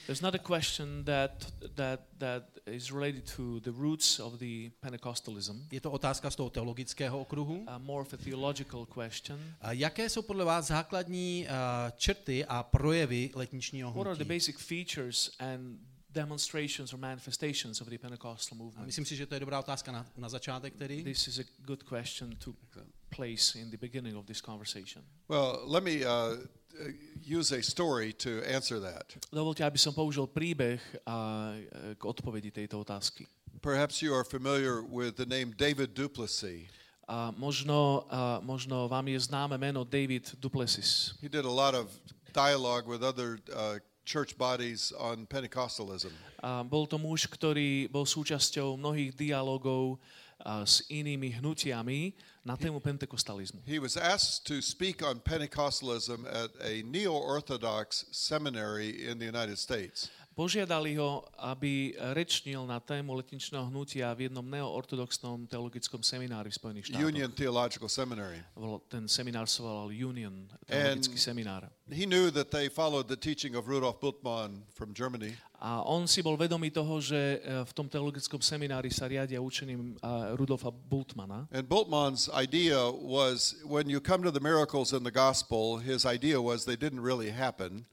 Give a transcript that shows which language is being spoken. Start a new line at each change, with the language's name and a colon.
English: There's another question that is related to the roots of the Pentecostalism.
Czech: Je to otázka z toho teologického okruhu.
English: More of a theological question.
Czech: Jaké jsou podle vás základní črty a projevy letničního hnutí?
English: What are the basic features and demonstrations or manifestations of the Pentecostal movement?
Czech: A myslím si, že to je dobrá otázka na začátek tedy.
English: This is a good question to place in the beginning of this conversation. Well, let me use a story to answer that.
Slovak: Dovolte, aby som použil príbeh k odpovedi tejto otázky.
English: Perhaps you are familiar with the name David Duplessis.
Slovak: Možno vám je známe meno David Duplessis.
English: He did a lot of dialogue with other church bodies on Pentecostalism.
Slovak: Bol to muž, ktorý bol súčasťou mnohých dialogov s inými hnutiami na tému pentekostalizmu.
English: He was asked to speak on Pentecostalism at a neo-orthodox seminary in the United States.
Slovak: Požiadali ho, aby rečnil na tému letničného hnutia v jednom neoortodoxnom teologickom seminári v Spojených štátoch.
English: Union Theological Seminary.
Slovak: Ten seminár sa volal Union teologický seminár.
English: He knew that they followed the teaching of Rudolf Bultmann from Germany.
Slovak: A on si bol vedomý toho, že v tom teologickom seminári sa riadia učením Rudolfa Bultmana.
English: And Bultmann's idea was when you come to the miracles in the gospel, his idea was they didn't really happen.